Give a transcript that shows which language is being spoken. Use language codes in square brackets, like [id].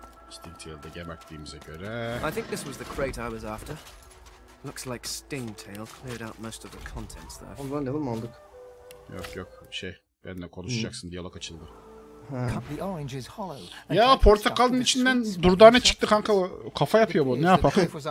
[tr] Stingtail'de gemaktiğimize göre. [en] I think this was the crate I was after. Looks like Stingtail cleared out most of the contents there. [tr] Oğlum ben level mi aldık? Yok şey, benimle konuşacaksın, diyalog açıldı. Ya portakalın içinden durdağına çıktı kanka, kafa yapıyor bu, ne yapalım?